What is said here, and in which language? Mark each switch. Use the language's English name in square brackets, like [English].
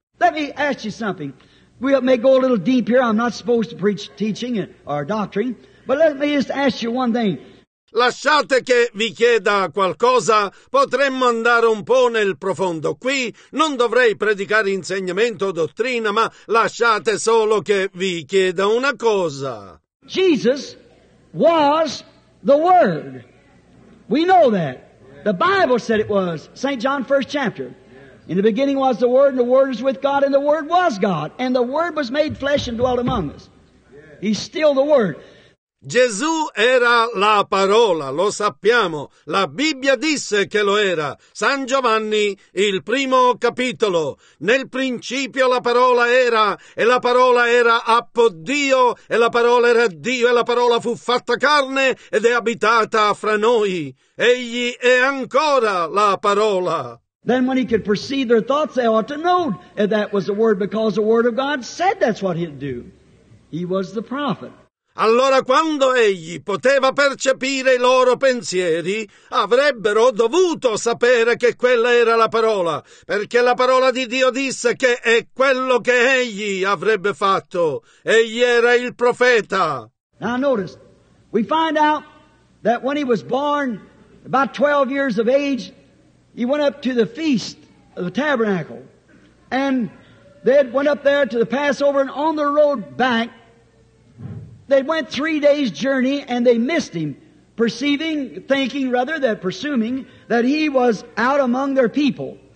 [English] Let me ask you something. We may go a little deep here. I'm not supposed to preach teaching or doctrine, but let me just ask you one thing. [Italian] Lasciate che vi chieda qualcosa, potremmo andare un po' nel profondo qui, non dovrei predicare insegnamento o dottrina, ma lasciate solo che vi chieda una cosa. [English] Jesus was the Word. We know that. The Bible said it was. St. John, first chapter. In the beginning was the Word, and the Word was with God, and the Word was God. And the Word was made flesh and dwelt among us. He's still the Word. [Italian] Gesù era la parola, lo sappiamo. La Bibbia disse che lo era. San Giovanni, il primo capitolo. Nel principio la parola era, e la parola era appo Dio, e la parola era Dio, e la parola fu fatta carne ed è abitata fra noi. Egli è ancora la parola. [English] Then when he could perceive their thoughts, they ought to know that that was the Word, because the Word of God said that's what he'd do. He was the prophet. [Italian] Allora quando egli poteva percepire i loro pensieri, avrebbero dovuto sapere che quella era la parola, perché la parola di Dio disse che è quello che egli avrebbe fatto. Egli era il profeta. [English] Now notice, we find out that when he was born, about 12 years of age, he went up to the feast of the tabernacle, and they went up there to the Passover, and on the road back, they went 3 days' journey, and they missed him, presuming that he was out among their people.